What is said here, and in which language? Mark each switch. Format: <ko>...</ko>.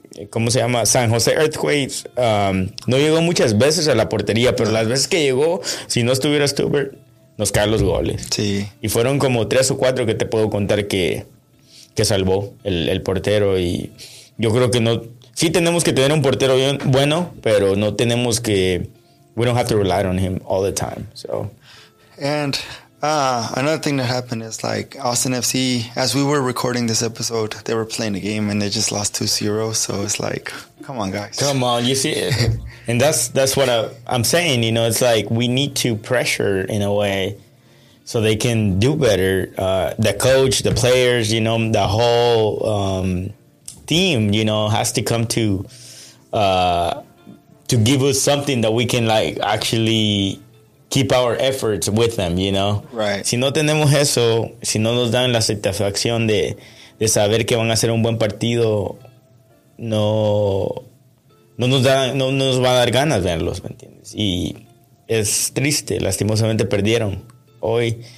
<es>¿Cómo se llama? San José Earthquakes. No llegó muchas veces a la portería, pero las veces que llegó, si no estuviera Stuber, nos caen los goles. Sí. Y fueron como 3 o 4 que te puedo contar que salvó el portero. Y yo creo que no... Sí tenemos que tener un portero bien, bueno, pero no tenemos que...</es> <en>We don't have to rely on him all the time. So. And another thing that happened is like Austin FC, as we were recording this episode, they were playing a game and they just lost 2-0. So it's like, come on, guys. Come on. You see, and that's what I'm saying. You know, it's like we need to pressure in a way so they can do better. The coach, the players, you know, the whole team, you know, has to come to give us something that we can like actually keep our efforts with them, you know? Right.</en> <es>Si no tenemos eso, si no nos dan la satisfacción de saber que van a hacer un buen partido, no nos va a dar ganas verlos, ¿me entiendes? Y es triste, lastimosamente perdieron hoy.</es>